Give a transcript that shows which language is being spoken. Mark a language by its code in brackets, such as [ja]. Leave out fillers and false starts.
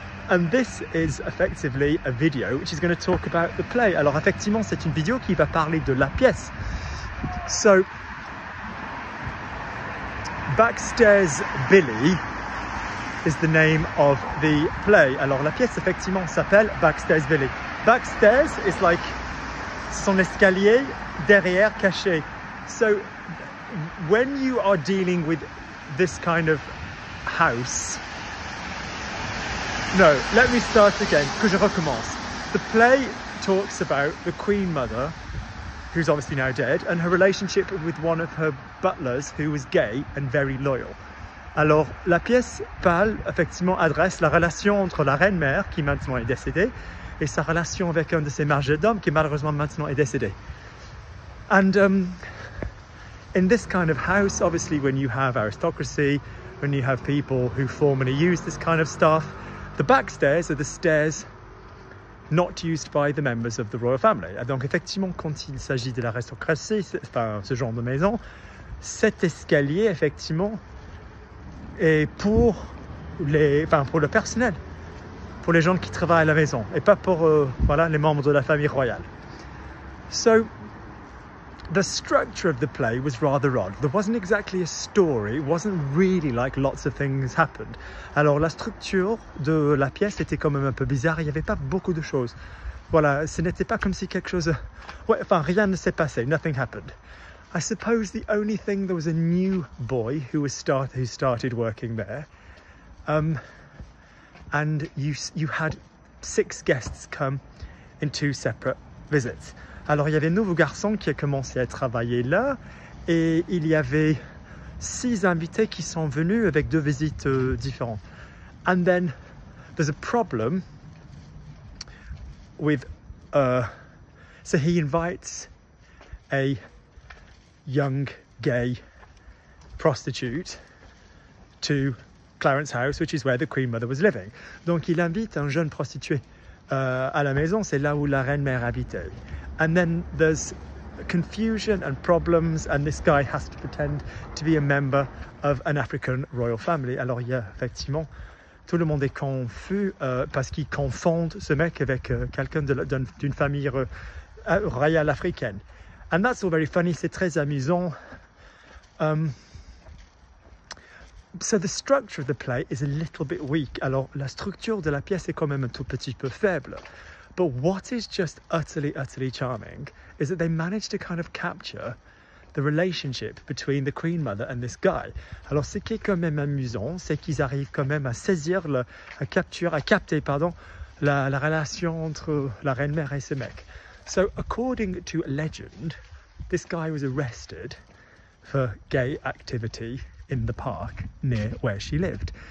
[en] And this is effectively a video which is going to talk about the play. [fr] Alors effectivement, c'est une vidéo qui va parler de la pièce. [en] So Backstairs Billy is the name of the play. [fr] Alors la pièce effectivement s'appelle Backstairs Billy. Backstairs [en] is like [fr] son escalier derrière caché. [en] So when you are dealing with this kind of house, no, let me start again, [fr] que je recommence. [en] The play talks about the Queen Mother, who's obviously now dead, and her relationship with one of her butlers who was gay and very loyal. [fr] Alors, la pièce parle, effectivement, adresse la relation entre la reine mère, qui maintenant est décédée, et sa relation avec un de ses mariés d'hommes, qui malheureusement maintenant est décédé. [en] And in this kind of house, obviously, when you have aristocracy, when you have people who formerly use this kind of stuff, the backstairs are the stairs not used by the members of the royal family. [fr] Donc effectivement, quand il s'agit de l'aristocratie, enfin ce genre de maison, cet escalier effectivement est pour les, enfin pour le personnel, pour les gens qui travaillent à la maison, et pas pour voilà les membres de la famille royale. [en] So the structure of the play was rather odd. There wasn't exactly a story. It wasn't really like lots of things happened. [fr] Alors la structure de la pièce était quand même un peu bizarre. Il n'y avait pas beaucoup de choses. Voilà, ce n'était pas comme si quelque chose... Ouais, enfin, rien ne s'est passé. [en] Nothing happened. I suppose the only thing, there was a new boy who was who started working there. And you had six guests come in two separate visits. [fr] Alors il y avait un nouveau garçon qui a commencé à travailler là et il y avait six invités qui sont venus avec deux visites différentes. [en] And then there's a problem with so he invites a young gay prostitute to Clarence House, which is where the Queen Mother was living. [fr] Donc il invite un jeune prostitué à la maison, c'est là où la reine mère habitait. [en] And then there's confusion and problems, and this guy has to pretend to be a member of an African royal family. [fr] Alors il y a effectivement, tout le monde est confus parce qu'ils confondent ce mec avec quelqu'un d'une famille royale africaine. [en] And that's all very funny, [fr] c'est très amusant. [en] So the structure of the play is a little bit weak. [fr] Alors la structure de la pièce est quand même un tout petit peu faible. [en] But what is just utterly, utterly charming is that they managed to kind of capture the relationship between the Queen Mother and this guy. [fr] Alors ce qui est quand même amusant, c'est qu'ils arrivent quand même à saisir, à capter, la relation entre la reine mère et ce mec. [en] So according to legend, this guy was arrested for gay activity in the park near where she lived.